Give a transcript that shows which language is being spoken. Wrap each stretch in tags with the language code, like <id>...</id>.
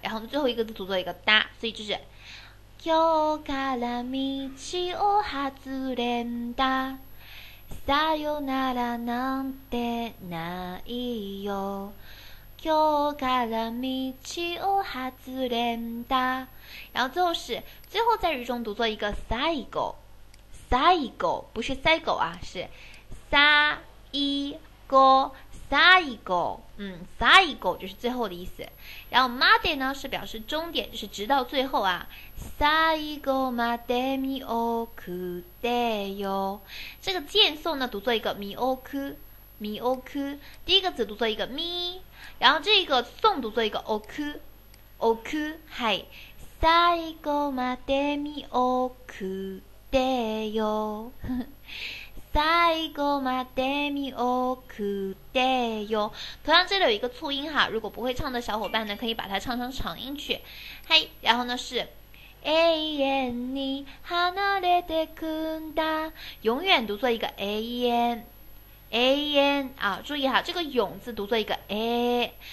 <zh>然后最后一个字读作一个哒，所以就是</zh> <ja>今日から道を外れんだ、さよならなんてないよ、今日から道を外れんだ。</ja> <zh>然后最后是最后在日中读作一个最後。赛狗不是赛狗啊，是撒一狗赛狗，赛狗就是最后的意思。然后 made 呢是表示终点，就是直到最后啊。</zh> <ja>赛狗 made mi oku de yo，</ja> <zh>这个渐送呢读作一个 mi oku mi oku， 第一个字读作一个 mi， 然后这个送读作一个 oku oku， 嗨，</zh> <ja>赛狗 made mi oku。でよ、最後まで見送ってよ。</ja> <zh>同样这里有一个促音哈，如果不会唱的小伙伴呢，可以把它唱成长音去。嘿，然后呢是</zh> <ja>永遠に離れてくんだ，</ja> <zh>永远读作一个永遠啊，注意哈，这个永字读作一个 a。</zh>